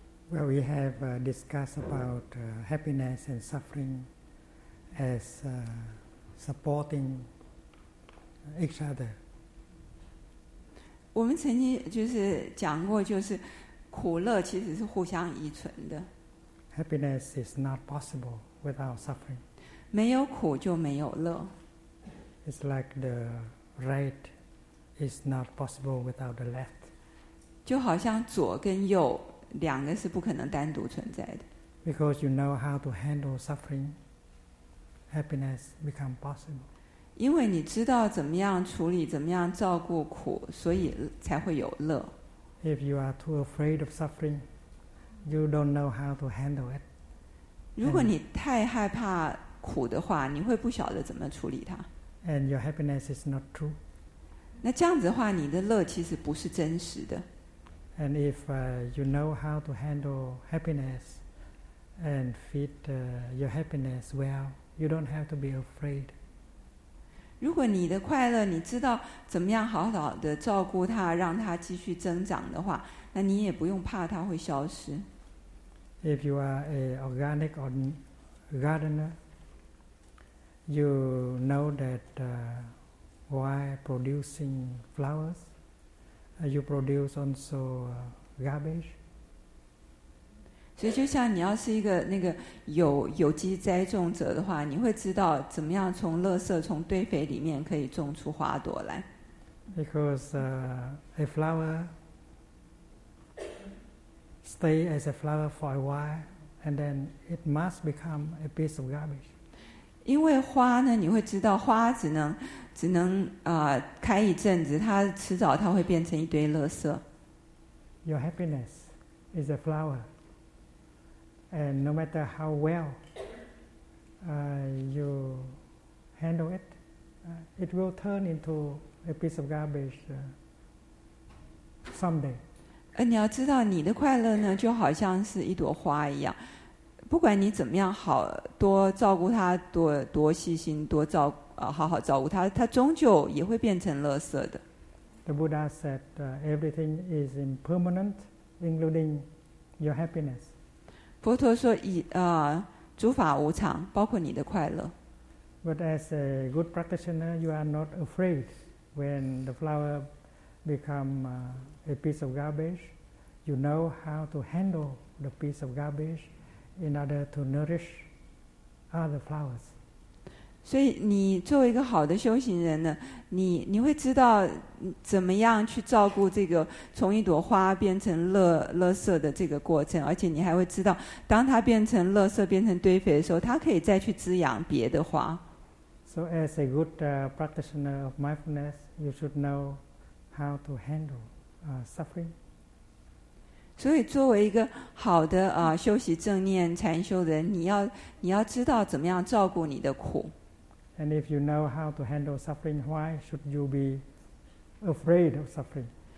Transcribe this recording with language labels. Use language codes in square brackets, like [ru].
[en] Well, we have discussed about happiness and suffering as supporting each other. [zh] 我们曾经就是讲过，就是苦乐其实是互相依存的。 [en] Happiness is not possible without suffering. [zh] 没有苦就没有乐。 [en] It's like the right is not possible without the left. [zh] 就好像左跟右。两个是不可能单独存在的。 [en] Because you know how to handle suffering, happiness becomes possible. [zh] 因为你知道怎么样处理，怎么样照顾苦，所以才会有乐。 [en] If you are too afraid of suffering, you don't know how to handle it. [zh] 如果你太害怕苦的话，你会不晓得怎么处理它。 [en] And your happiness is not true. [zh] 那这样子的话，你的乐其实不是真实的。 [en] And if you know how to handle happiness and feed your happiness well, you don't have to be afraid. [zh] 如果你的快乐你知道怎么样好好的照顾它，让它继续增长的话，那你也不用怕它会消失。 [en] If you are an organic gardener, you know that while producing flowers,you produce also garbage. [zh] 所以就像你要是一个那个有机栽种者的话，你会知道怎么样从垃圾从堆肥里面可以种出花朵来。 [en] Because a flower stay as a flower for a while, and then it must become a piece of garbage. [zh] 因为花呢，你会知道花只能开一阵子，它迟早它会变成一堆垃圾。 [en] Your happiness is a flower, and no matter how well you handle it, it will turn into a piece of garbage someday. [zh] 你要知道，你的快乐呢，就好像是一朵花一样，不管你怎么样好多照顾他，多细心，多照好好照顾他，他终究也会变成垃圾的。 [en] The Buddha said, everything is impermanent, including your happiness. [zh] 佛陀说诸法无常，包括你的快乐。 [en] But as a good practitioner, you are not afraid when the flower becomes a piece of garbage. You know how to handle the piece of garbage in order to nourish other flowers. [zh] 所以你作为一个好的修行人呢，你会知道怎么样去照顾这个从一朵花变成垃圾的这个过程，而且你还会知道当它变成垃圾变成堆肥的时候，它可以再去滋养别的花。 [en] So as a good practitioner of mindfulness, you should know how to handle suffering. [zh] 所以作为一个好的修习正念禅修的人，你要知道怎么样照顾你的苦。 [en] And if you know how to handle suffering, why should you be afraid of suffering?